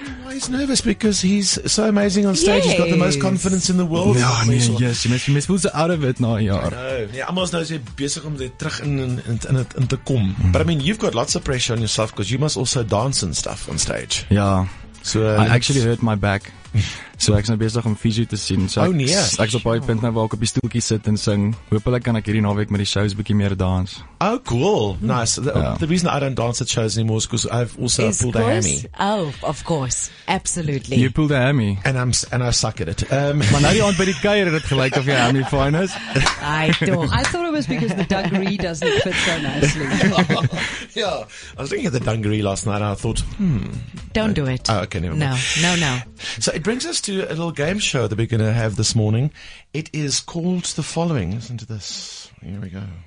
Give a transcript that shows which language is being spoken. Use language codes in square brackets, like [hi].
[en] He's nervous because he's so amazing on stage. Yes. He's got the most confidence in the world. Yeah, no, nee, yes, you must be out of it now, yeah. No, yeah, almost now is busy [af] om dit terug in te kom. [en] Mm. But I mean, you've got lots of pressure on yourself because you must also dance and stuff on stage. Yeah. So I actually hurt my back. So [af] ek is nou besig om fysio te sien. [en] So [af] oh nee. Ek is op baie punt nou waar ek op die stoeltjie sit en sing. Hoopelik kan ek hierdie naweek met die shows bietjie meer dans. [en] Oh cool. Nice. The reason I don't dance at shows anymore is because I've also pulled a hammy. Oh, of course. Absolutely. You pulled a hammy. And I suck at it. [af] Maar nou die aand by die kuier het gelyk of jy hammy fine is. [en] I don't. I thought it was because the dungaree doesn't fit so nicely. Yeah. I was thinking of the dungaree last night and I thought, don't do it. Oh, okay, never mind. No. So it brings us to a little game show that we're going to have this morning. It is called The Following. Listen to this. Here we go.